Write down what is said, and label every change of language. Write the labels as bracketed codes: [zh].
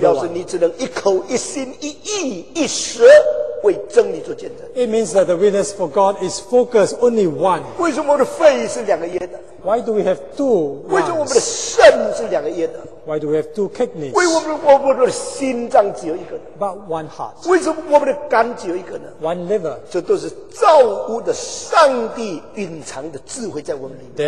[zh] 表示你只能一口一心一意一舌。为真理做见证。 [en] It means that the witness for God is focused only one. [zh] 为什么我的肺是两个耶的 [en] ？Why do we have two? [zh] 为什么我们的肾是两个耶的 [en] ？Why do we have two kidneys? [zh] 为什么我们的心脏只有一个 [en] ？But one heart. [zh] 为什么我们的肝只有一个呢 [en] ？One liver. [zh] 这都是造物的上帝隐藏的智慧在我们里面。